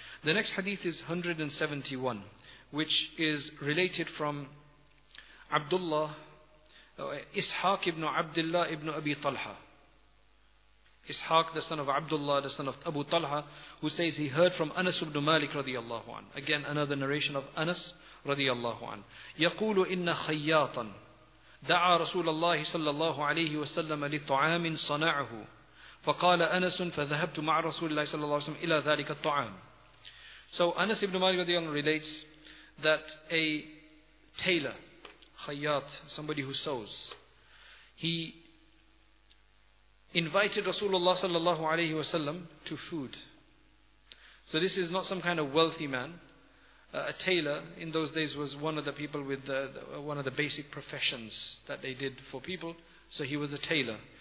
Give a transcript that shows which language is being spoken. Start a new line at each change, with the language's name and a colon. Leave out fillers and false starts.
English: The next hadith is 171, which is related from Abdullah, Ishaq ibn Abdullah ibn Abi Talha. Ishaq, the son of Abdullah, the son of Abu Talha, who says he heard from Anas ibn Malik radiallahu anhu. Again, another narration of Anas radiallahu anhu.
Arabic: يقول إن خياطا دعا رسول الله صلى الله عليه وسلم لطعام صنعه فقال أنس فذهبت مع رسول الله صلى الله عليه وسلم إلى ذلك الطعام.
English: So Anas ibn Malik radiallahu anhu relates that a tailor, khayyat, somebody who sews, he invited Rasulullah sallallahu alayhi wa sallam to food. So this is not some kind of wealthy man. A tailor in those days was one of the people with one of the basic professions that they did for people. So he was a tailor.